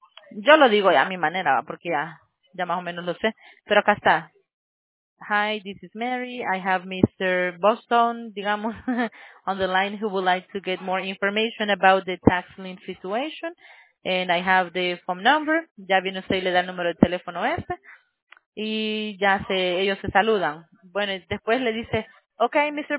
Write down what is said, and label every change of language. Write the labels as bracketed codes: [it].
[es] Yo lo digo ya a mi manera, porque ya más o menos lo sé, pero acá está. [en] Hi, this is Mary. I have Mr. Boston, [es] digamos, [en] on the line who would like to get more information about the tax lien situation. And I have the phone number. [es] Ya viene usted y le da el número de teléfono ese. Y ya ellos se saludan. Bueno, después le dice, okay, Mr.